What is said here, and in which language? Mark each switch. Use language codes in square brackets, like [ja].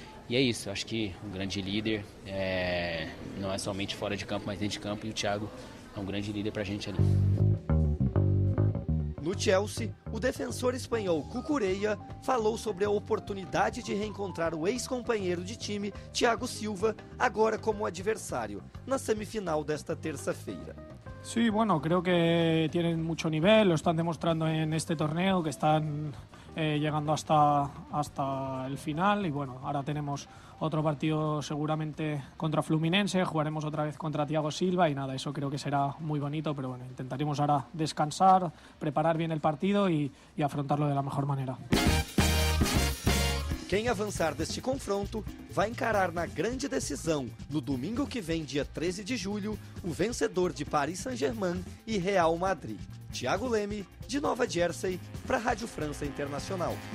[pt] E é isso, acho que um grande líder, não é somente fora de campo, mas dentro de campo, e o Thiago é um grande líder pra gente ali. No Chelsea, o defensor espanhol Cucurella falou sobre a oportunidade de reencontrar o ex-companheiro de time, Thiago Silva, agora como adversário, na semifinal desta terça-feira. [es] Sim, sí, bueno, creo que tienen mucho nivel, lo están demostrando en este torneo, que están llegando hasta el final, y bueno, ahora tenemos otro partido seguramente contra Fluminense, jugaremos otra vez contra Thiago Silva y nada, eso creo que será muy bonito, pero bueno, intentaremos ahora descansar, preparar bien el partido y afrontarlo de la mejor manera. [pt] Quem avançar deste confronto vai encarar na grande decisão, no domingo que vem, dia 13 de julho, o vencedor de Paris Saint-Germain e Real Madrid. Thiago Leme, de Nova Jersey, para a Rádio França Internacional.